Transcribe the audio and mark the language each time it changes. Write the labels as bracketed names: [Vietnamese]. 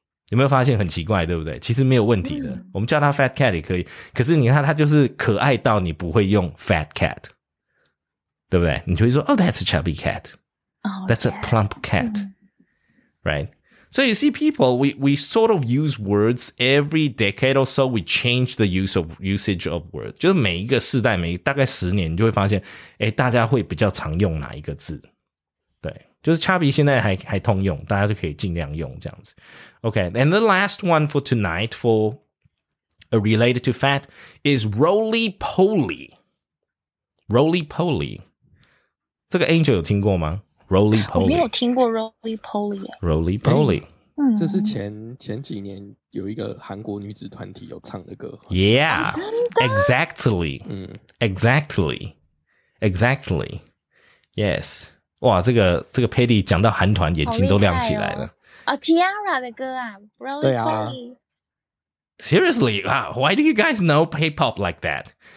[Chinese] 有没有发现很奇怪，对不对？其实没有问题的，嗯，我们叫它 fat cat 也可以，可是你看它就是可爱到你不会用 fat cat， 对不对？你就会说 [English] Oh, that's a chubby cat. That's a plump cat. Right? So you see, people, we sort of use words every decade or so. We change the usage of words. [Chinese] 就是每一个世代，每大概十年，你就会发现，欸，大家会比较常用哪一个字。对，就是 chubby 现在还通用，大家就可以尽量用这样子。 [English] Okay, and the last one for tonight for a related to fat is roly-poly. Roly-poly. [Chinese] 这个 Angel 有听过吗？ [English] Roly-poly， [Chinese] 我没有听过 Roly-poly。 [English] Roly-poly，欸， [Chinese] 这是前几年有一个韩国女子团体有唱的歌。 [English] Yeah， exactly， exactly， exactly， yes， [Chinese] 哇，这个 Patty 讲到韩团眼睛都亮起来了。哦 ，Tiara 的歌啊 ，Roly-poly。对啊。 [English] Seriously， why do you guys know K-pop like that？